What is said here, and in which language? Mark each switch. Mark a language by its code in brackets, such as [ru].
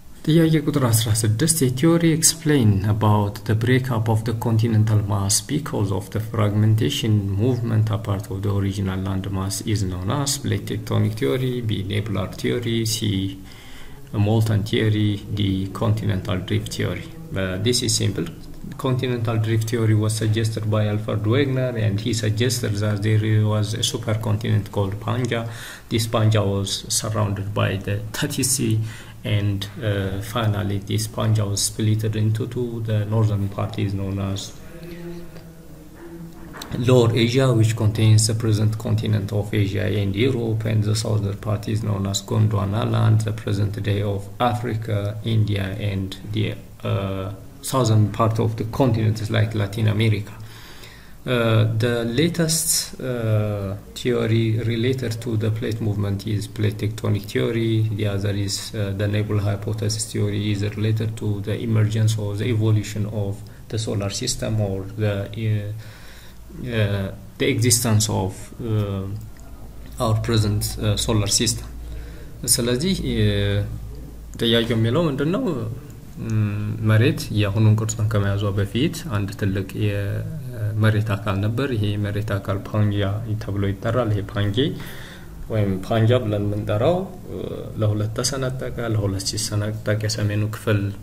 [am] ጥያቄ ቁጥር 16 [en] the theory explain about the breakup of the continental mass because of the fragmentation movement apart of the original land mass is known as plate tectonic theory, B nebular theory, C molten theory, D continental drift theory. This is simple. Continental drift theory was suggested by Alfred Wegener and he suggested that there was a supercontinent called Pangaea. This Pangaea was surrounded by the Tati Sea and finally this Pangaea was split into two. The northern part is known as Lower Asia, which contains the present continent of Asia and Europe, and the southern part is known as Gondwanaland, the present day of Africa, India and the southern part of the continent is like Latin America. The latest theory related to the plate movement is plate tectonic theory. The other is the nebular hypothesis theory is related to the emergence or the evolution of the solar system or the existence of our present solar system. [am] ስለዚህ ጥያቄው የሚለው ምንድነው? መሬት የሆኑን ቅርጽን ከመያዟ በፊት አንድ ትልቅ የመሬት አካል ነበር። ይሄ የመሬት አካል ፓንጂያ ተብሎ ይጠራል። ይሄ ፓንጂያ ወይም ፓንጃ ብለን ምንጠራው ለሁለት ተሰነጠቀ። ለሁለት ሲሰነጠቀ የሰሜኑ ክፍል